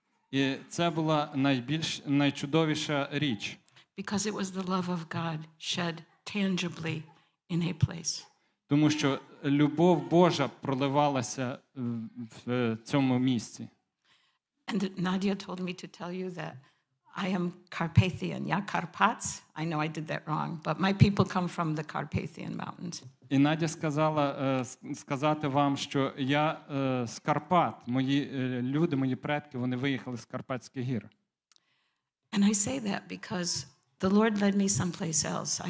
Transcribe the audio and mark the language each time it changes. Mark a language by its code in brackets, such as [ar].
[uk] І це була найчудовіша річ. [en] Because it was the love of God shed tangibly in a place. [uk] Тому що любов Божа проливалася в цьому місці. [en] And Nadia told me to tell you that I am Carpathian. [uk] Я Карпатс. [en] I know I did that wrong, but my people come from the Carpathian Mountains. [uk] І Надя сказала сказати вам, що я з Карпат. Мої люди, мої предки, вони виїхали з Карпатських гір. [en] And I say that because the Lord led me someplace else.